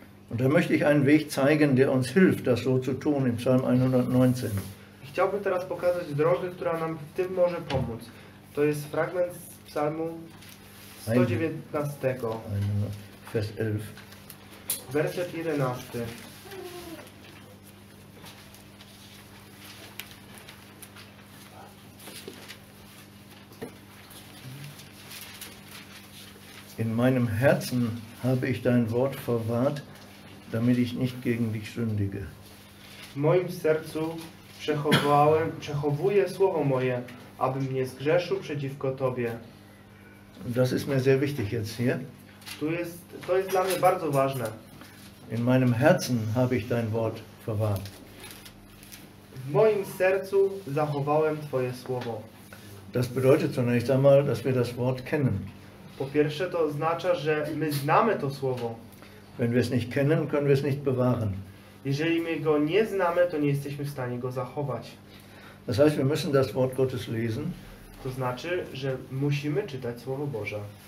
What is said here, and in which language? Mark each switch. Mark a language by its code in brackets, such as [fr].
[de] Und da möchte ich einen Weg zeigen, der uns hilft, das so zu tun, im Psalm 119. [pl] I chciałbym teraz pokazać drogę, która nam w tym może pomóc. To jest fragment z Psalmu 119. [de] Vers 11. [pl] Werset 11. [de] In meinem Herzen habe ich dein Wort verwahrt, damit ich nicht gegen dich sündige. [pl] W moim sercu przechowuję słowo moje, abym nie zgrzeszył przeciwko tobie. [de] Das ist mir sehr wichtig jetzt hier. [pl] To jest dla mnie bardzo ważne. [de] In meinem Herzen habe ich dein Wort verwahrt. [pl] W moim sercu zachowałem twoje słowo. [de] Das bedeutet zunächst einmal, dass wir das Wort kennen. [pl] Po pierwsze, to oznacza, że my znamy to słowo. [de] Wenn wir es nicht kennen, können wir es nicht bewahren. [pl] Jeżeli my go nie znamy, to nie jesteśmy w stanie go zachować. [de] Das heißt, wir müssen das Wort Gottes lesen. [pl] To znaczy, że musimy czytać słowo Boże.